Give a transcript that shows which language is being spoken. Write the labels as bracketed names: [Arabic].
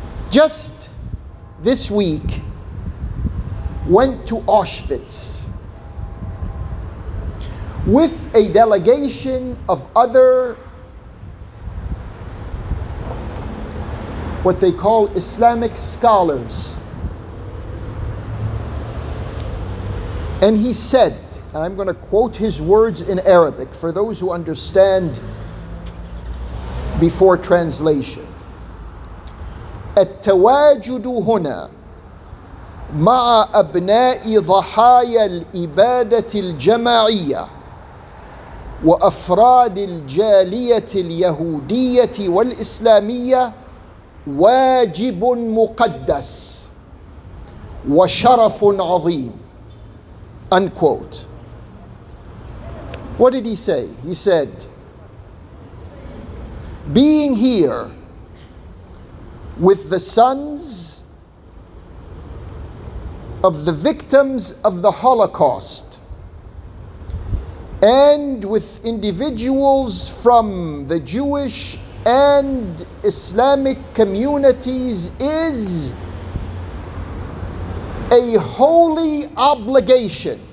[English] just this week went to Auschwitz with a delegation of other, what they call Islamic scholars. And he said, I'm going to quote his words in Arabic for those who understand before translation. [Arabic] التواجد هنا مع أبناء ضحايا الإبادة الجماعية وأفراد الجالية اليهودية والإسلامية واجب مقدس وشرف عظيم. [English] Unquote. What did he say? He said, being here with the sons of the victims of the Holocaust and with individuals from the Jewish and Islamic communities is a holy obligation.